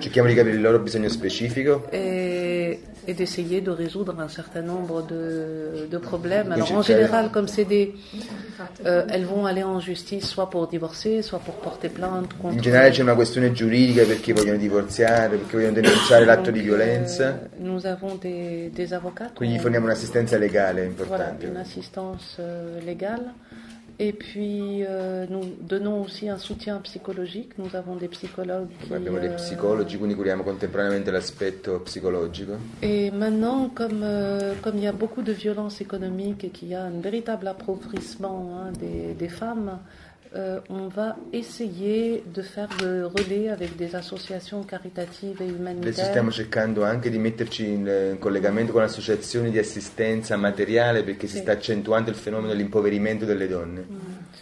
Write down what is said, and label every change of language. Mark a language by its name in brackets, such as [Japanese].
[Italian] Cerchiamo di capire il loro bisogno specifico. [French] Et d'essayer de résoudre un certain nombre de problèmes. Alors en général, comme c'est des, elles vont aller en justice, soit pour divorcer, soit pour porter plainte contre. [Italian] In generale c'è una questione giuridica perché vogliono divorziare, perché vogliono denunciare l'atto di violenza. [French] Nous avons des avocats. [Italian] Quindi forniamo un'assistenza legale importante. [French] Voilà, une assistance légale. Et puis nous donnons aussi un soutien psychologique. Nous avons des psychologues. Qui, [Italian] abbiamo dei psicologi, quindi curiamo contemporaneamente l'aspetto psicologico. [French] Et maintenant, comme il y a beaucoup de violences économiques et qu'il y a un véritable appauvrissement des femmes, on va essayer de faire le relais avec des associations caritatives et humanitaires. [Italian] Adesso stiamo cercando anche di metterci in collegamento con associazioni di assistenza materiale perché si sta accentuando il fenomeno dell'impoverimento delle donne.